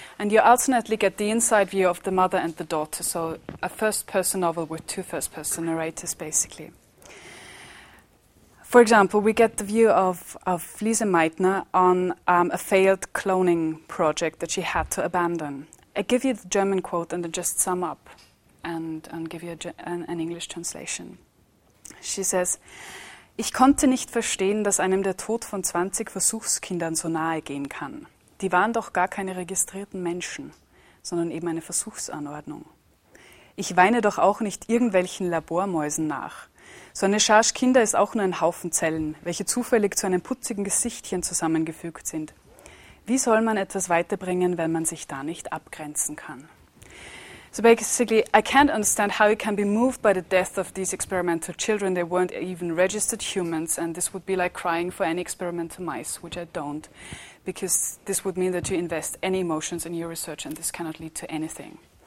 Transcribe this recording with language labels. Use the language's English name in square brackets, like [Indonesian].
[English] And you alternately get the inside view of the mother and the daughter, so a first-person novel with two first-person narrators, basically. For example, we get the view of Lise Meitner on a failed cloning project that she had to abandon. I give you the German quote and then just sum up and give you an English translation. She says, [German] "Ich konnte nicht verstehen, dass einem der Tod von 20 Versuchskindern so nahe gehen kann. Die waren doch gar keine registrierten Menschen, sondern eben eine Versuchsanordnung. Ich weine doch auch nicht irgendwelchen Labormäusen nach. So eine Charge Kinder ist auch nur ein Haufen Zellen, welche zufällig zu einem putzigen Gesichtchen zusammengefügt sind. Wie soll man etwas weiterbringen, wenn man sich da nicht abgrenzen kann?" [English] So basically, I can't understand how you can be moved by the death of these experimental children. They weren't even registered humans, and this would be like crying for any experimental mice, which I don't, because this would mean that you invest any emotions in your research, and this cannot lead to anything.